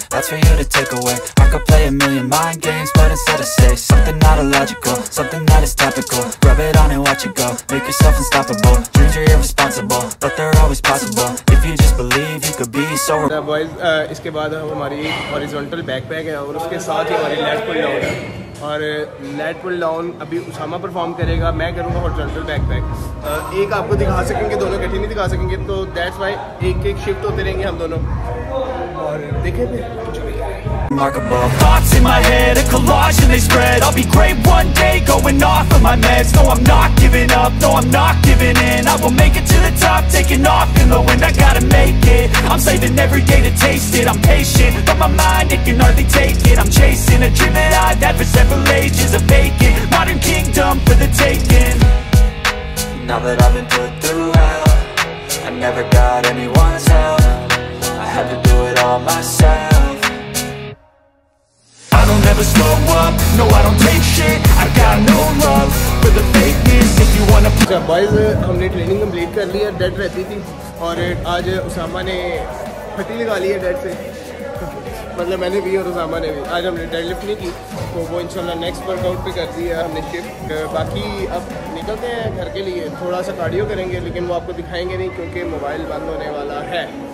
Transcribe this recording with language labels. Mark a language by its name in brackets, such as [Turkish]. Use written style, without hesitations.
[English] that's for you to take away I could play a million mind games but instead I say something not illogical something that is topical rub it on and watch it go make yourself unstoppable dreams are irresponsible but they're always possible if you just believe you could be so boys [Hindi] iske baad hamari horizontal backpack hai aur uske sath hi hamari lat pull down hai और lat pull down अभी Usama perform करेगा. मैं करूँगा horizontal backpack. एक आपको दिखा सकेंगे दोनों इकट्ठे नहीं दिखा सकेंगे तो दैट्स व्हाई एक एक शिफ्ट होते रहेंगे हम दोनों और देखें फिर [English] Remarkable thoughts in my head, a collage and they spread. I'll be great one day, going off of my meds. No, I'm not giving up. No, I'm not giving in. I will make it to the top, taking off in the wind. I gotta make it. I'm saving every day to taste it. I'm patient, but my mind it can hardly take it. I'm chasing a dream that I've had for several ages, a vacant modern kingdom for the taking. Now that I've been put through hell, I never got anyone's help. I had to do it all myself. I don't ever slow up, no I don't take shit I got no love for the fakeness if you wanna. [Hindi] So boys, हमने training complete कर ली है, dead रहती थी, और आज उसामा ने फटी लगा ली है dead से. मतलब मैंने भी और उसामा ने भी. आज हमने deadlift नहीं की, तो वो इंशाल्लाह next workout पे कर दी है हमने shift. बाकी अब निकलते हैं घर के लिए, थोड़ा सा cardio करेंगे, लेकिन वो आपको दिखाएंगे नहीं क्योंकि mobile बंद होने वाला है.